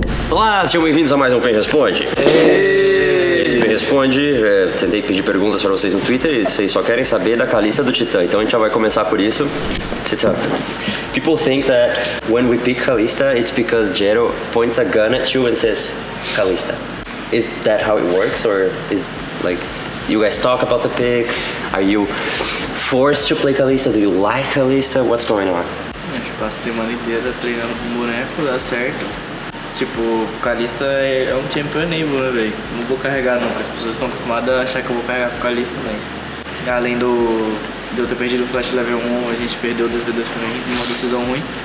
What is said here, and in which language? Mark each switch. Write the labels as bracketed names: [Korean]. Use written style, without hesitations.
[Portuguese] Olá, sejam bem-vindos a mais um Quem Responde. Esse Quem Responde, tentei pedir perguntas para vocês no Twitter e vocês só querem saber da Caliça do Titã. Então a gente já vai começar por isso. Titã. [English] People think that when we pick Kalista, it's because Jero points a gun at you and says, Kalista. Is that how it works? Or is, like, you guys talk about the pick? Are you forced to play Kalista? Do you like Kalista? What's going on? [Portuguese] A gente passa a semana inteira treinando com boneco, dá certo. Tipo, Kalista é um champion enable, né, velho? Não vou carregar não, porque as pessoas estão acostumadas a achar que eu vou carregar com Kalista, mas... Além do... De eu ter perdido o Flash Level 1, a gente perdeu o 2v2 também, uma decisão ruim.